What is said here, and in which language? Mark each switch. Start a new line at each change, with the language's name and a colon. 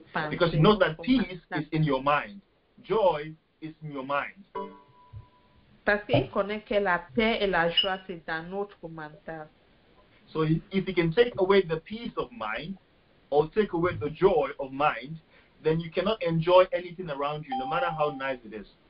English: Because you know that peace is in your mind. Joy is in your mind.
French: Parce qu'il connaît que la paix et la joie c'est dans notre mental.
English: So if you can take away the peace of mind or take away the joy of mind, then you cannot enjoy anything around you, no matter how nice it is.